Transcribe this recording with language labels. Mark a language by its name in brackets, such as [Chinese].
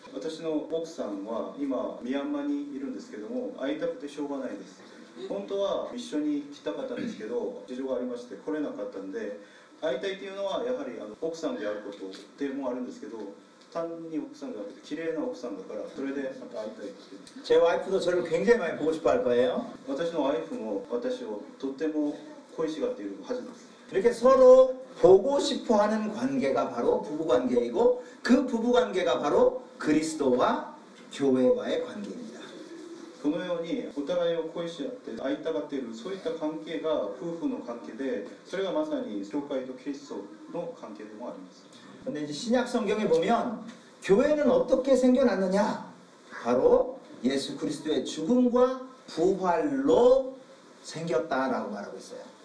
[Japanese] 私の奥さんは今ミャンマーにいるんですけども会いたくてしょうがないです本当は一緒に来たかったんですけど事情がありまして来れなかったんで会いたいというのはやはり奥さんであることでもあるんですけど単に奥さんじゃなくて綺麗な奥さんだからそれでまた会いたいって [Korean] 제와이프도저를굉장히많이보고싶어할거예요 [Japanese] 私のワイフも私をとっても恋しがっているはずです [Korean] 이렇게서로보고싶어하는관계가바로부부관계이고그부부관계가바로그리스도와교회와의관계입니다 [Japanese] 그のように互いを恋し合って会いたがっているそういった관계가夫婦の関係でそれがまさに教会とキリストの関係でもあります [Korean] 근데이제신약성경에보면교회는어떻게생겨났느냐바로예수그리스도의죽음과부활로생겼다라고말하고있어요